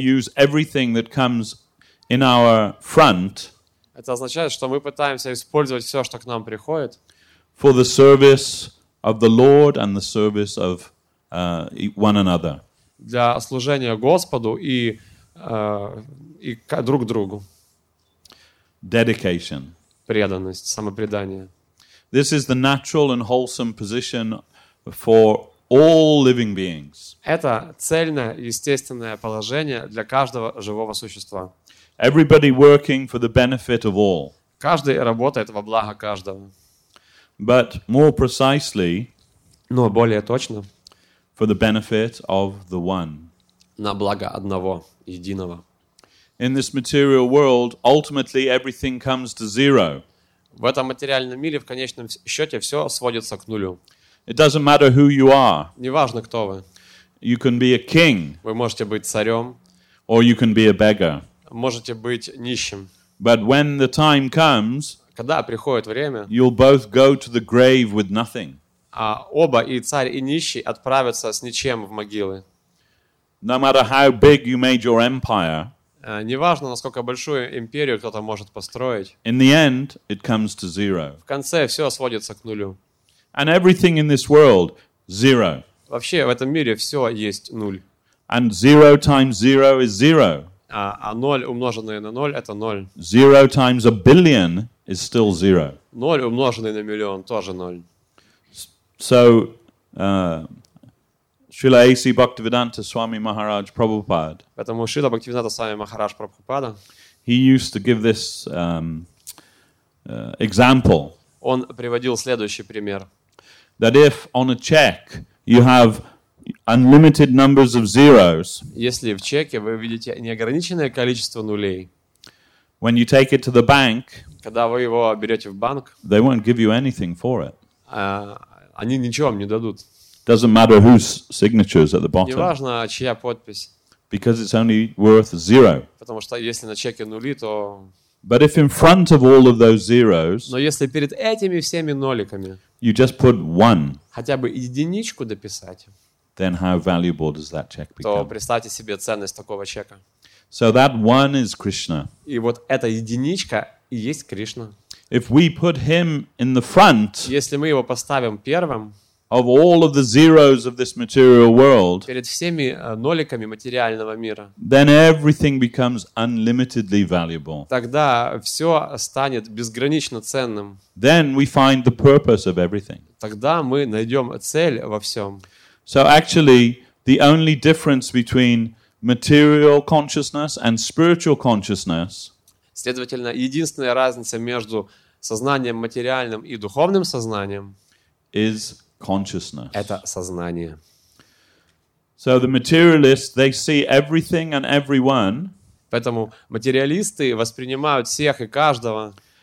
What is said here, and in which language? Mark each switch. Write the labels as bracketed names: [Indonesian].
[English] to use everything that comes in our front. [Russian] Это означает, что мы пытаемся использовать все, что к нам приходит. [English] For the service of the Lord and the service of one another. [Russian] Для служения Господу и друг другу. [English] Dedication. [Russian] Преданность, самопредание. [English] This is the natural and wholesome position for all living beings. [Russian] Это цельное естественное положение для каждого живого существа. [English] Everybody working for the benefit of all. [Russian] Каждый работает во благо каждого. [English] But more precisely, [Russian] но более точно, [English] for the benefit of the one. [Russian] На благо одного, единого. [English] In this material world, ultimately everything comes to zero. [Russian] В этом материальном мире в конечном счете все сводится к нулю. [English] It doesn't matter who you are. [Russian] Неважно, кто вы. [English] You can be a king. [Russian] Вы можете быть царем. [English] Or you can be a beggar. [Russian] Можете быть нищим. [English] But when the time comes, [Russian] когда приходит время, [English] you'll both go to the grave with nothing. [Russian] А оба, и царь, и нищий, отправятся с ничем в могилы. [English] No matter how big you made your empire, [Russian] неважно, насколько большую империю кто-то может построить, [English] in the end, it comes to zero. [Russian] В конце все сводится к нулю. [English] And everything in this world zero. [Russian] Вообще в этом мире все есть ноль. [English] And zero times zero is zero. [Russian] А ноль умноженное на ноль это ноль. [English] Zero times a billion is still zero. [Russian] Ноль умноженное на миллион тоже ноль. [English] So Srila A.C. Bhaktivedanta Swami Maharaj Prabhupada. [Russian] Поэтому Шрила Бхактивиданта Свами Махарадж Прабхупада. [English] He used to give this example. [Russian] Он приводил следующий пример. [English] That if on a check you have unlimited numbers of zeros. [Russian] Если в чеке вы видите неограниченное количество нулей. [English] When you take it to the bank. [Russian] Когда вы его берете в банк. [English] They won't give you anything for it. [Russian] Они ничего вам не дадут. [English] Doesn't matter whose signature is at the bottom. [Russian] Не важно, чья подпись. [English] Because it's only worth zero. [Russian] Потому что если на чеке нули, то. [English] But if in front of all of those zeros. [Russian] Но если перед этими всеми ноликами. [English] You just put one. [Russian] Хотя бы единичку дописать. [English] Then how valuable does that check become? [Russian] То представьте себе ценность такого чека. [English] So that one is Krishna. [Russian] И вот эта единичка и есть Кришна. [English] If we put him in the front. [Russian] Если мы его поставим первым. [English] Of all of the zeros of this material world. [Russian] Перед всеми ноликами материального мира. [English] Then everything becomes unlimitedly valuable. [Russian] Тогда все станет безгранично ценным. [English] Then we find the purpose of everything. [Russian] Тогда мы найдем цель во всем. [English] So actually, the only difference between material consciousness and spiritual consciousness. [Russian] Следовательно, единственная разница между сознанием материальным и духовным сознанием. [English] Is consciousness. [Russian] Это сознание. [English] So the materialists, they see everything and everyone. [Russian] Поэтому материалисты воспринимают всех и каждого.